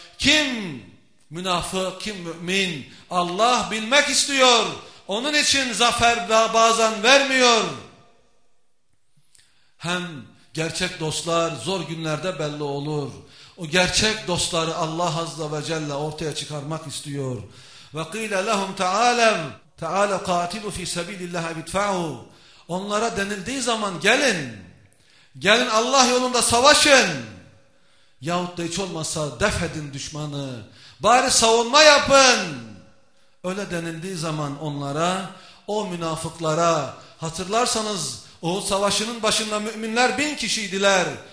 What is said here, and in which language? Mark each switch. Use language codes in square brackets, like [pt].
[tr] Kim münafık, kim mümin? Allah bilmek istiyor. Onun için zafer bazen vermiyor. Hem gerçek dostlar zor günlerde belli olur. O gerçek dostları Allah Azze ve Celle ortaya çıkarmak istiyor. [ar] وَقِيلَ لَهُمْ تَعَالَمْ تَعَالَ قَاتِلُوا فِي سَبِيلِ اللّٰهَ اِدْفَعُوا [tr] Onlara denildiği zaman gelin. Gelin Allah yolunda savaşın. Yahut da hiç olmazsa def edin düşmanı. Bari savunma yapın. Öyle denildiği zaman onlara, o münafıklara, hatırlarsanız Uhud Savaşı'nın başında müminler 1000 kişiydiler.